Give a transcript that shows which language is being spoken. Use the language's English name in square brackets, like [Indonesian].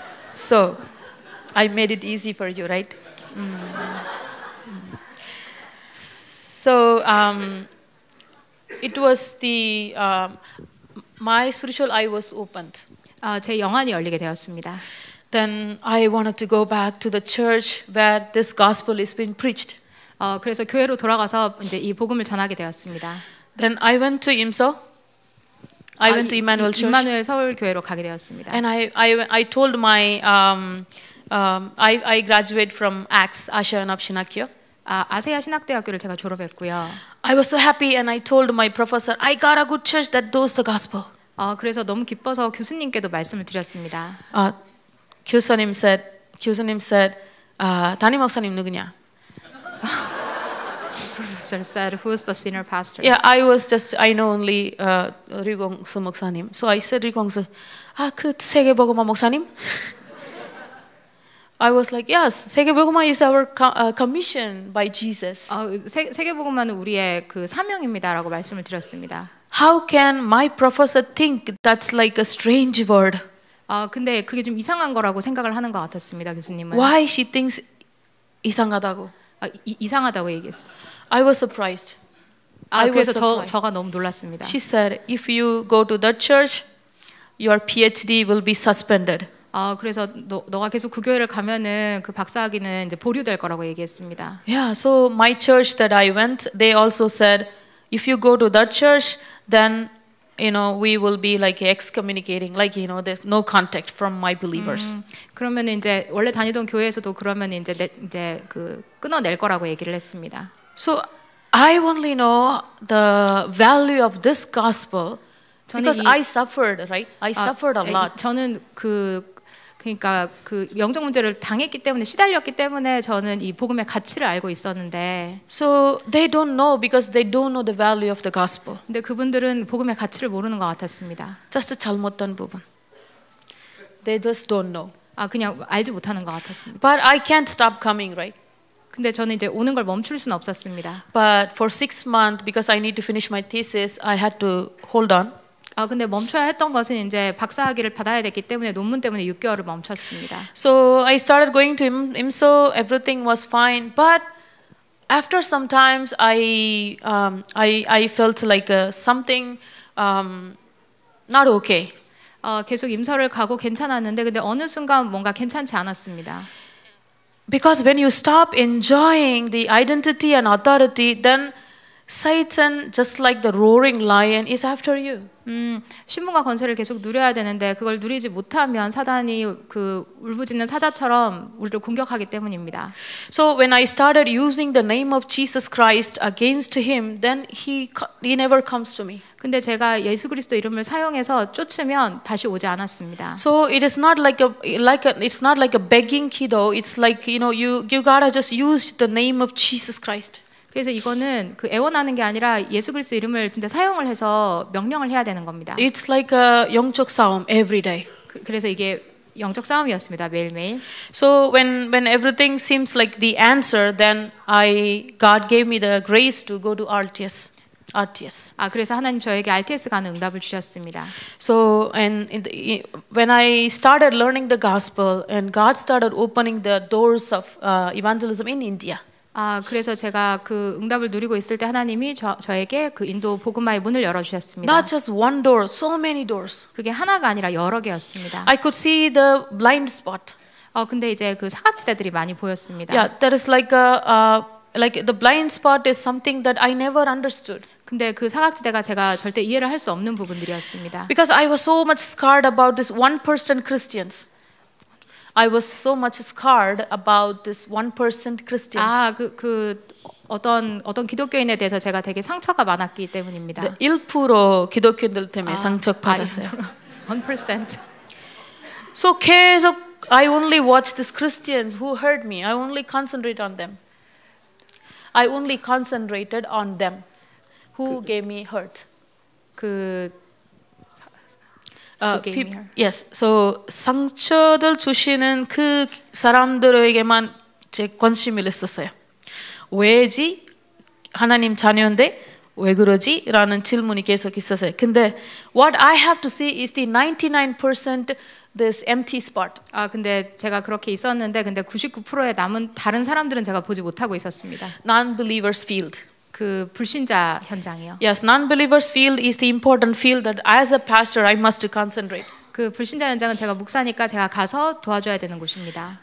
[English] So I made it easy for you, right? So it was the my spiritual eye was opened. [Korean] 제 영안이 열리게 되었습니다. [English] Then I wanted to go back to the church where this gospel is being preached. [Korean] 그래서 교회로 돌아가서 이제 이 복음을 전하게 되었습니다. [English] Then I went to IMSO. I went to Emmanuel Church. [Korean] 임마누엘 서울 교회로 가게 되었습니다. [English] And I told my I graduated from ACTS, Asia Yonhap Shinakyo. [Korean] 아세아 신학대학교를 제가 졸업했고요. [English] I was so happy and I told my professor I got a good church that knows the gospel. [Korean] 그래서 너무 기뻐서 교수님께도 말씀을 드렸습니다. 교수님 [English] said [Korean] 담임 목사님 누구냐? [English] Professor said, "Who's the senior pastor?" Yeah, I was just I know only Ri Gong Su 목사님. So I said, "Ri Gong Su, [Korean] 그 세계복음화 목사님?" [English] I was like, "Yes, [Korean] 세계복음화 [English] is our commission by Jesus." [Korean] 세계복음화는 우리의 그 사명입니다라고 말씀을 드렸습니다. [English] How can my professor think that's like a strange word? [Korean] 근데 그게 좀 이상한 거라고 생각을 하는 것 같았습니다, 교수님은. [English] Why she thinks [Korean] 이상하다고? 이상하다고 얘기했어. [English] I was surprised. [Korean] 그래서 저가 너무 놀랐습니다. [English] She said, "If you go to the church, your PhD will be suspended." [Korean] 그래서 너가 계속 그 교회를 가면은 그 박사학위는 이제 보류될 거라고 얘기했습니다. [English] Yeah, so my church that I went, they also said, "If you go to the church, then you know we will be like excommunicating, like you know there's no contact from my believers." [Korean] 그러면 이제 원래 다니던 교회에서도 그러면 이제 그 끊어낼 거라고 얘기를 했습니다. [English] So I only know the value of this gospel because I suffered, right? I suffered a lot. [Korean] 저는 그러니까 그 영적 문제를 당했기 때문에 시달렸기 때문에 저는 이 복음의 가치를 알고 있었는데. [English] So they don't know because they don't know the value of the gospel. [Korean] 근데 그분들은 복음의 가치를 모르는 것 같았습니다. [English] Just [Korean] 잘못된 부분. [English] They just don't know. [Korean] 그냥 알지 못하는 것 같았습니다. [English] But I can't stop coming, right? [Korean] 근데 저는 이제 오는 걸 멈출 수는 없었습니다. [English] But for 6 months, because I need to finish my thesis, I had to hold on. [Korean] 근데 멈춰야 했던 것은 이제 박사학위를 받아야 됐기 때문에 논문 때문에 6개월을 멈췄습니다. [English] So I started going to IMSO. Everything was fine, but After some times, I felt like something not okay. [Korean] 계속 임서를 가고 괜찮았는데 근데 어느 순간 뭔가 괜찮지 않았습니다. [English] Because when you stop enjoying the identity and authority, then Satan, just like the roaring lion, is after you. [Korean] 신분과 권세를 계속 누려야 되는데 그걸 누리지 못하면 사단이 그 울부짖는 사자처럼 우리를 공격하기 때문입니다. [English] So when I started using the name of Jesus Christ against him, then he never comes to me. [Korean] 근데 제가 예수 그리스도 이름을 사용해서 쫓으면 다시 오지 않았습니다. [English] So it is not like a begging key though. It's like, you know, you gotta just use the name of Jesus Christ. [Korean] 그래서 이거는 그 애원하는 게 아니라 예수 그리스도 이름을 진짜 사용을 해서 명령을 해야 되는 겁니다. [English] It's like a [Korean] 영적 싸움 [English] every day. [Korean] 그래서 이게 영적 싸움이었습니다. 매일매일. [English] So when everything seems like the answer, then God gave me the grace to go to RTS. RTS. [Korean] 아, 그래서 하나님 저에게 RTS 가는 응답을 주셨습니다. [English] So and when I started learning the gospel and God started opening the doors of evangelism in India. [Korean] 아, 그래서 제가 그 응답을 누리고 있을 때 하나님이 저에게 그 인도 복음화의 문을 열어주셨습니다. [English] Not just one door, so many doors. [Korean] 그게 하나가 아니라 여러 개였습니다. [English] I could see the blind spot. [Korean] 근데 이제 그 사각지대들이 많이 보였습니다. [English] Yeah, that is like the blind spot is something that I never understood. [Korean] 근데 그 사각지대가 제가 절대 이해를 할 수 없는 부분들이었습니다. [English] Because I was so much scarred about this one-person Christians. I was so much scarred about this one-person Christians. [Korean] 아, 그 어떤 기독교인에 대해서 제가 되게 상처가 많았기 때문입니다. 1% 기독교인들 때문에 상처 받았어요. 1%. [English] So [Korean] 계속 [English] I only watch these Christians who hurt me. I only concentrate on them. I only concentrated on them who gave me hurt. 그 yes. So [Korean] 상처들 주시는 그 사람들에게만 제 관심을 했었어요. 왜지? 하나님 자녀인데 왜 그러지? 라는 질문이 계속 있었어요. 근데 [English] what I have to see is the 99% this empty spot. [Korean] 아, 근데 제가 그렇게 있었는데 근데 99%의 남은 다른 사람들은 제가 보지 못하고 있었습니다. [English] Non-believers field. [Korean] 그 불신자 현장이요. [English] Yes, non-believers field is the important field that as a pastor I must concentrate. [Korean] 그 불신자 현장은 제가 목사니까 제가 가서 도와줘야 되는 곳입니다.